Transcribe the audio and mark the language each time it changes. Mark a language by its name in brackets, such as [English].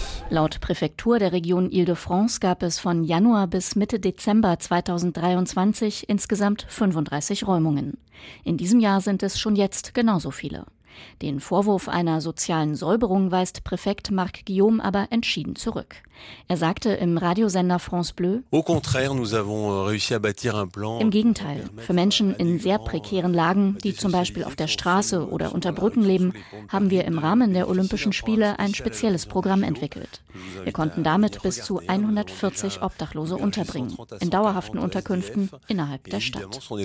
[German] Laut Präfektur der Region Île-de-France gab es von Januar bis Mitte Dezember 2023 insgesamt 35 Räumungen. In diesem Jahr sind es schon jetzt genauso viele. Den Vorwurf einer sozialen Säuberung weist Präfekt Marc Guillaume aber entschieden zurück. Er sagte im Radiosender France Bleu: [French] Au contraire, nous avons réussi à bâtir un plan. [German] Im Gegenteil, für Menschen in sehr prekären Lagen, die zum Beispiel auf der Straße oder unter Brücken leben, haben wir im Rahmen der Olympischen Spiele ein spezielles Programm entwickelt. Wir konnten damit bis zu 140 Obdachlose unterbringen, in dauerhaften Unterkünften innerhalb der Stadt.